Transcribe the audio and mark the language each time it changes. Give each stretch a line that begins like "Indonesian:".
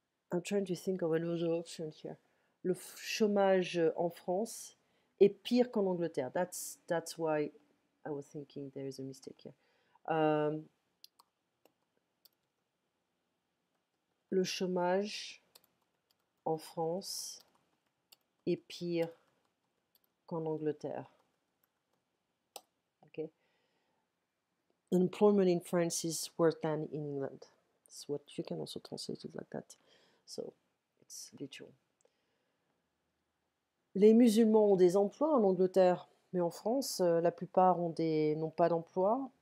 English: I'm trying to think of another option here.
French: Le chômage en France est pire qu'en Angleterre.
English: That's why I was thinking there is a mistake here.
French: Le chômage en France est pire qu'en Angleterre.
English: Okay. Employment in France is worse than in England. That's what you can also translate it like that. So it's literal.
French: Les musulmans ont des emplois en Angleterre, mais en France, la plupart ont des n'ont pas d'emploi.